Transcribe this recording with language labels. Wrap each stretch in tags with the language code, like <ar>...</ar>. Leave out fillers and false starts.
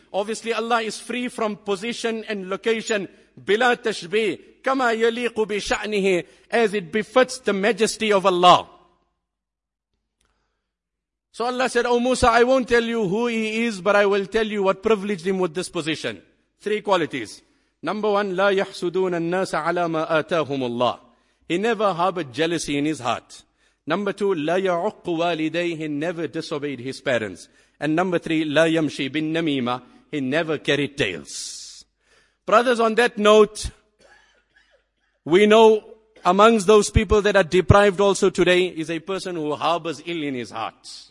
<en>Obviously Allah is free from position and location.</en> <ar>بِلَا تَشْبِيهِ كَمَا يَلِيقُ بِشَأْنِهِ.</ar> <en>As it befits the majesty of Allah. So Allah said, oh Musa, I won't tell you who he is, but I will tell you what privileged him with this position. Three qualities. Number one,</en> <ar>لا يحسدون الناس على ما آتاهم الله.</ar> <en>He never harbored jealousy in his heart. Number two,</en> <ar>لا يعق والديه.</ar> <en>He never disobeyed his parents. And number three,</en> <ar>لا يمشي بالنميمة.</ar> <en>He never carried tales. Brothers, on that note, we know amongst those people that are deprived also today is a person who harbors ill in his heart.</en>